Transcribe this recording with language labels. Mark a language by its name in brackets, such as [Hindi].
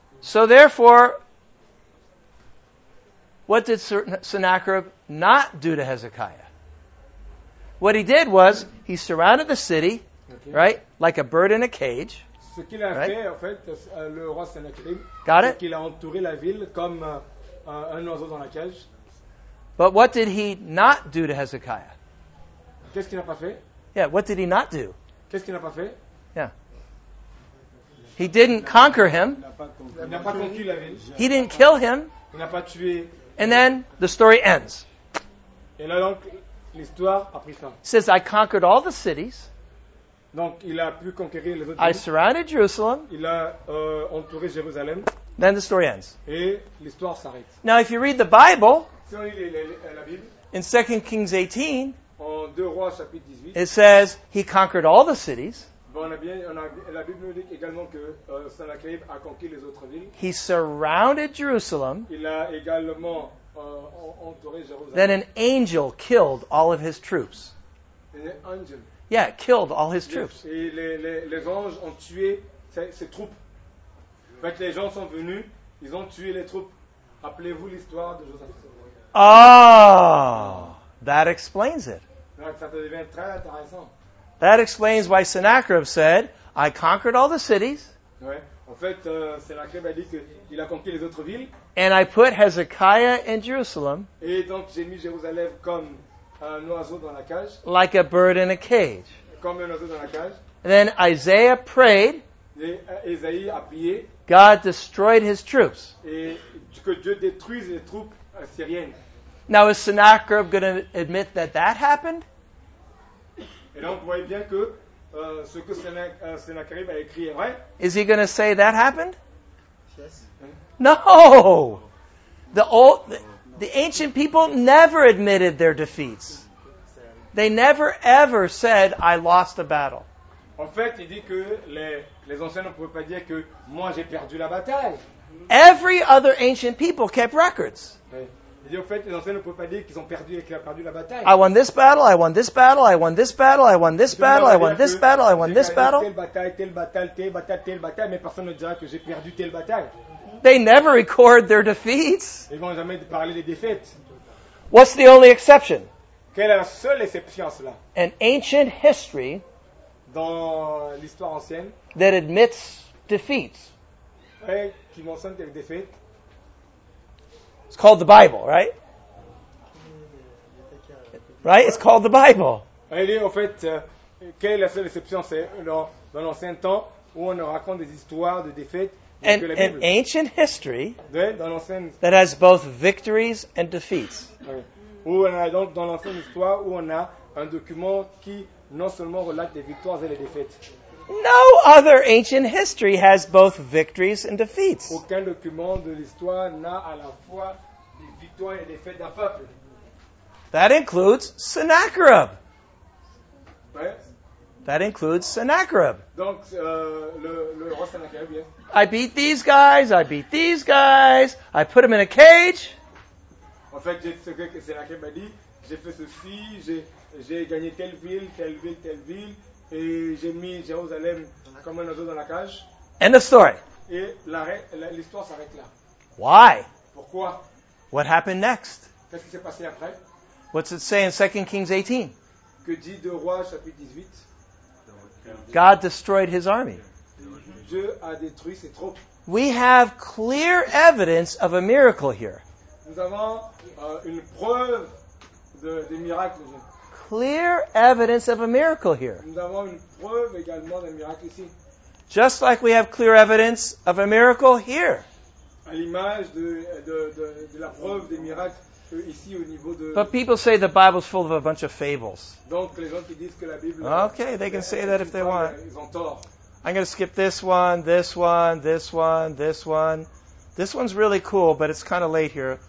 [English] So therefore, what did Sennacherib not do to Hezekiah? What he did was, he surrounded the city, okay, right, like a bird in a cage. [French] Ce qu'il a right? fait, en fait, le roi Sennacherib. [English] Got it? [French] Qu'il a entouré la ville comme un oiseau dans la cage. [English] But what did he not do to Hezekiah? [French] Qu'est-ce qu'il n'a pas fait? [English] Yeah, what did he not do? [French] Qu'est-ce qu'il n'a pas fait? [English] Yeah. He didn't conquer him. [French] Il n'a pas conquis la ville. [English] He didn't kill him. [French] Il n'a pas tué. [English] And then the story ends. [French] Et là donc, l'histoire a pris fin. [English] He says, I conquered all the cities. [French] Donc, il a pu conquérir les autres [English] villes. I surrounded Jerusalem. [French] Il a entouré Jérusalem. [English] Then the story ends. [French] Et l'histoire s'arrête. [English] Now, if you read the Bible, [French] si on lit la Bible, [English] in 2 Kings 18, [French] en 2 Rois, chapitre 18, [English] it says, he conquered all the cities. [French] La Bible nous dit également que Sennacherib a conquis les autres villes. [English] He surrounded Jerusalem. [French] Il a également entouré Jérusalem. [English] Then an angel killed all of his troops. An angel. Yeah, killed all his troops. [French] Et les anges ont tué ses troupes. En fait, les gens sont venus, ils ont tué les troupes. Rappelez-vous l'histoire de Joseph. [English] Oh, that explains it. [French] Ça devient très intéressant. [English] That explains why Sennacherib said, I conquered all the cities. [French] Ouais. En fait, Sennacherib a dit qu'il a conquis les autres villes. [English] And I put Hezekiah in Jerusalem. [French] Et donc, j'ai mis Jérusalem comme un oiseau dans la cage. [English] Like a bird in a cage. [French] Comme un oiseau dans la cage. [English] And then Isaiah prayed. [French] Et Isaïe a prié. [English] God destroyed his troops. [French] Et que Dieu détruise les troupes assyriennes. [English] Now, is Sennacherib going to admit that that happened? [French] Et donc, vous voyez bien que ce que Sennacherib a écrit est vrai. [English] Is he going to say that happened? Yes. No! The ancient people never admitted their defeats. They never, ever said, I lost a battle. [French] En fait, il dit que les anciens ne pouvaient pas dire que moi, j'ai perdu la bataille. [English] Every other ancient people kept records. [French] Et en fait, les anciens ne pouvaient pas dire qu'ils ont perdu et qu'ils ont perdu la bataille. [English] I won this battle, I won this battle, I won this battle, I won this battle, I won this battle, I won this battle. [French] Telle bataille, telle bataille, telle bataille, telle bataille, mais personne ne dira que j'ai perdu telle bataille. [English] They never record their defeats. [French] Ils vont jamais parler des défaites. [English] What's the only exception? [French] Quelle est la seule exception à cela? [English] An ancient history [French] dans l'histoire ancienne [English] that admits defeats. [French] Et qui mentionne des défaites. [English] It's called the Bible, right? Right? It's called the Bible. [French] Et en fait, quelle est la seule exception? C'est dans l'ancien temps où on raconte des histoires de défaites. [English] An ancient history that has both victories and defeats. [French] Où on a donc dans l'ancienne histoire où on a un document qui non seulement relate les victoires et les défaites. [English] No other ancient history has both victories and defeats. [French] Aucun document de l'histoire n'a à la fois des victoires et des défaites d'un peuple. [English] That includes Sennacherib. That includes Sennacherib. [French] Donc, le roi Sennacherib, yes. [English] I beat these guys, I beat these guys, I put them in a cage. [French] En fait, ce que Sennacherib a dit, j'ai fait ceci, j'ai gagné telle ville, telle ville, telle ville, et j'ai mis Jérusalem comme un oiseau dans la cage. [English] End of story. [French] Et l'histoire s'arrête là. [English] Why? [French] Pourquoi? [English] What happened next? [French] Qu'est-ce qui s'est passé après? [English] What's it say in 2 Kings 18? [French] Que dit de roi, chapitre 18? [English] God destroyed his army. [French] Dieu a détruit ses troupes. [English] We have clear evidence of a miracle here. [French] Nous avons une preuve de miracle. [English] Clear evidence of a miracle here. [French] Nous avons une preuve également d'un miracle ici. [English] Just like we have clear evidence of a miracle here. [French] À l'image de la preuve des miracles ici au niveau de... [English] But people say the Bible is full of a bunch of fables. [French] Donc les gens qui disent que la Bible... [English] Okay, they can say that if they want. [French] Ils ont tort. [English] I'm going to skip this one, this one, this one, this one. This one's really cool, but it's kind of late here.